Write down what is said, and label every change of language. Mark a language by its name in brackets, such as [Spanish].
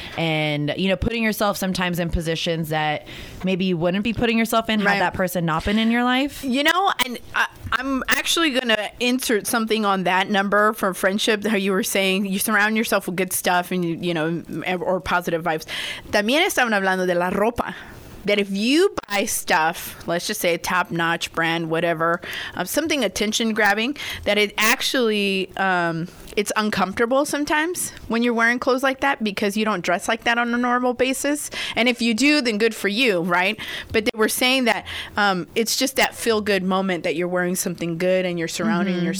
[English] And, you know, putting yourself sometimes in positions that maybe you wouldn't be putting yourself in right. had that person not been in your life. You know, and I'm actually going to insert something on that number for friendship, how you were saying you surround yourself with good stuff and, you know, or positive vibes. [Spanish] También estaban hablando de la ropa. [English] That if you buy stuff, let's just say a top-notch brand, whatever, something attention-grabbing, that it actually, it's uncomfortable sometimes when you're wearing clothes like that because you don't dress like that on a normal basis. And if you do, then good for you, right? But they were saying that it's just that feel-good moment that you're wearing something good and you're surrounding mm-hmm.